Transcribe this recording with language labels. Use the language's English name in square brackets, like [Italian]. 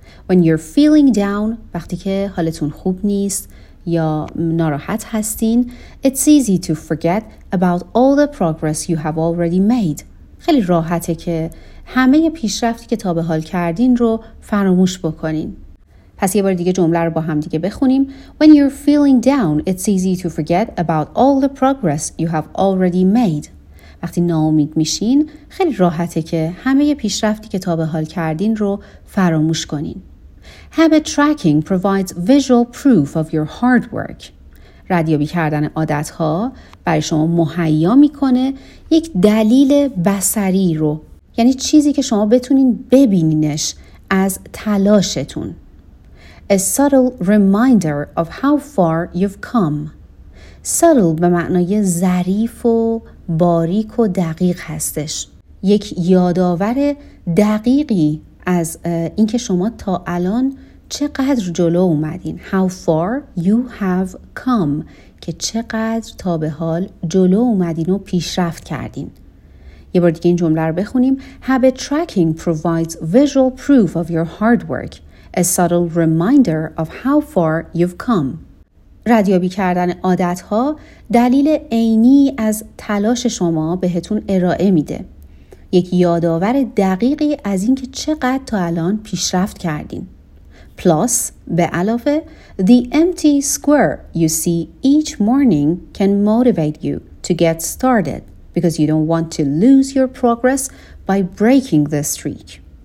[English] When you're feeling down، [Persian] وقتی که حالتون خوب نیست یا ناراحت هستین، [English] it's easy to forget about all the progress you have already made. [Persian] خیلی راحته که همه پیشرفتی که تا به حال کردین رو فراموش بکنین. پس یه بار دیگه جمله رو با هم دیگه بخونیم. [English] When you're feeling down، [Persian] it's easy to forget about all the progress you have already made. وقتی ناامید میشین خیلی راحته که همه پیشرفتی که تا به حال کردین رو فراموش کنین. [English] Habit tracking provides visual proof of your hard work. [Persian] ردیابی کردن عادت‌ها برای شما مهیا میکنه یک دلیل بصری رو، یعنی چیزی که شما بتونین ببینینش از تلاشتون. [English] A subtle reminder of how far you've come. [Persian] سادل به معنای ظریف و باریک و دقیق هستش. یک یادآور دقیقی از اینکه شما تا الان چقدر جلو اومدین. [English] How far you have come، [Persian] که چقدر تا به حال جلو اومدین و پیشرفت کردین. یه بار دیگه این جمله رو بخونیم. [English] Habit tracking provides visual proof of your hard work. a subtle reminder of how far you've come. [Persian] ردیابی کردن عادت‌ها دلیل عینی از تلاش شما بهتون ارائه میده. یک یادآور دقیقی از اینکه چقدر تا الان پیشرفت کردین. [English] Plus, [Persian] به علاوه, [English] the empty square you see each morning can motivate you to get started because you don't want to lose your progress by breaking the streak.